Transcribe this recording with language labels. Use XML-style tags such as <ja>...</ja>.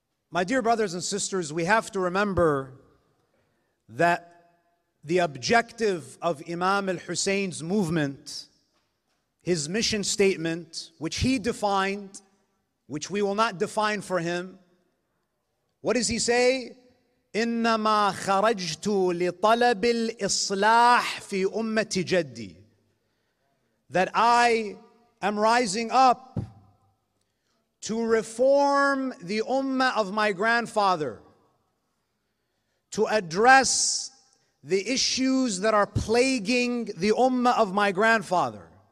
<en>My dear brothers and sisters, we have to remember that the objective of Imam al-Hussein's movement, his mission statement, which he defined, which we will not define for him, what does he say?</en> <ar>إنما خرجت لطلب الإصلاح في أمة جدي.</ar> <en>That I am rising up to reform the ummah of my grandfather, to address the issues that are plaguing the ummah of my grandfather.</en>